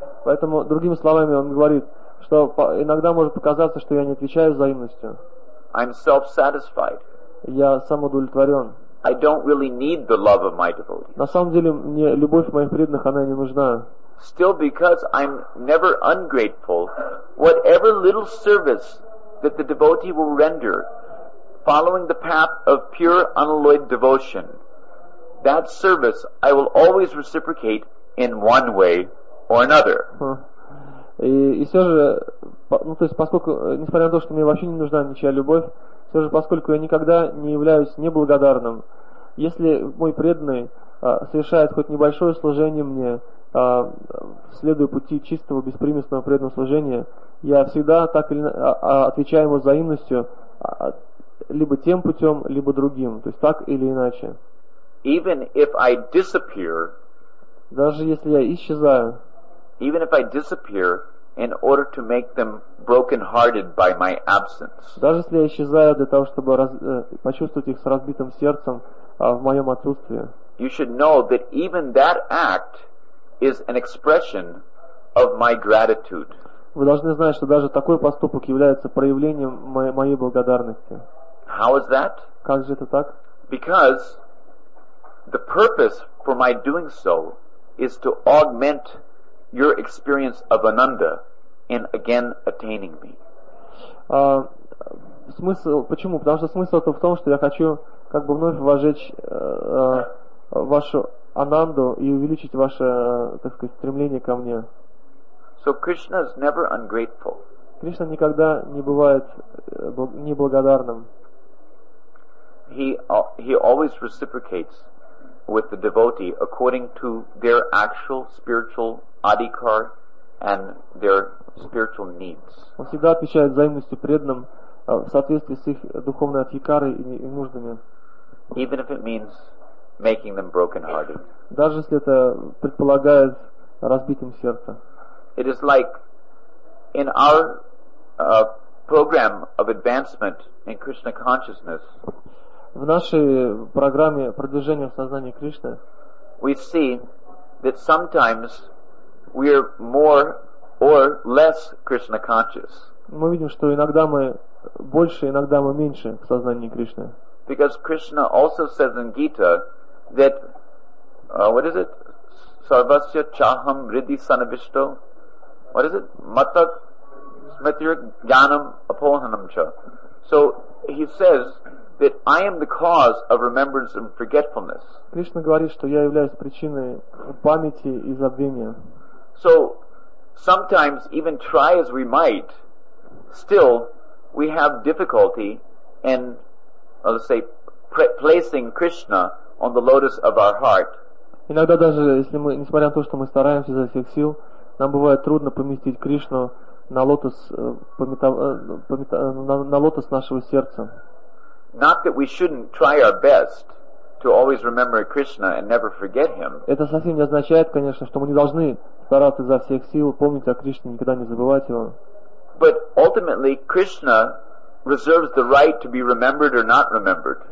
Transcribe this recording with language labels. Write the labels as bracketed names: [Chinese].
[Russian] Поэтому другими словами он говорит, что иногда может показаться, что я не отвечаю взаимностью. [English] I'm self-satisfied. [Russian] Я самоудовлетворен. [English] I don't really need the love of my devotees. [Russian] На самом деле мне любовь моих преданных она не нужна. [English] Still, because I'm never ungrateful, whatever little service that the devotee will render, following the path of pure unalloyed devotion, that service I will always reciprocate in one way or another. [Russian] И все же, ну то есть, поскольку несмотря на то, что мне вообще не нужна ничья любовь, все же, поскольку я никогда не являюсь неблагодарным, если мой преданный совершает хоть небольшое служение мне, следуя пути чистого, беспримесного преданного служения, я всегда так или отвечаю ему взаимностью либо тем путем, либо другим, то есть так или иначе. [English] Even if I disappear, [Russian] даже если я исчезаю, [English] even if I disappear in order to make them broken-hearted by my absence, [Russian] даже если я исчезаю для того, чтобы почувствовать их с разбитым сердцем в моем отсутствии, [English] you should know that even that act is an expression of my gratitude. [Russian] Вы должны знать, что даже такой поступок является проявлением моей благодарности. [English] How is that? [Russian] Как же это так? [English] Because the purpose for my doing so is to augment your experience of Ananda in again attaining me. [Russian] Смысл, почему? Потому что смысл это в том, что я хочу как бы вновь вожечь вашу Ананду и увеличить ваше, так сказать, стремление ко мне. [English] So Krishna is never ungrateful. [Russian] Кришна никогда не бывает неблагодарным. [English] He always reciprocates with the devotee according to their actual spiritual adhikar and their spiritual needs. [Russian] Он всегда отвечает взаимностью преданным в соответствии с их духовной адхикарой и нуждами. [English] Even if it means making them broken-hearted. [Russian] Даже если это предполагает разбитым сердце. [English] It is like in our program of advancement in Krishna consciousness. [Russian] В нашей программе продвижения в сознании Кришны. [English] We see that sometimes we are more or less Krishna conscious. [Russian] Мы видим, что иногда мы больше, иногда мы меньше в сознании Кришны. [English] Because Krishna also says in Gita that what is it? [Sanskrit] Sarvasya chaham riddhi sanavishto. [English] What is it? [Sanskrit] Matat smritir gyanam apohanam cha. [English] So he says that I am the cause of remembrance and forgetfulness. [Russian] Кришна говорит, что я являюсь причиной памяти и забвения. [English] So sometimes, even try as we might, still we have difficulty in, let's say, placing Krishna on the lotus of our heart. [Russian] Иногда даже если мы, несмотря на то, что мы стараемся изо всех сил, нам бывает трудно поместить Кришну на лотос на лотос нашего сердца. [English] Not that we shouldn't try our best to always remember Krishna and never forget him. [Russian] Это совсем не означает, конечно, что мы не должны стараться изо всех сил помнить о Кришне, никогда не забывать его. [English] But ultimately, Krishna reserves the right to be remembered or not remembered.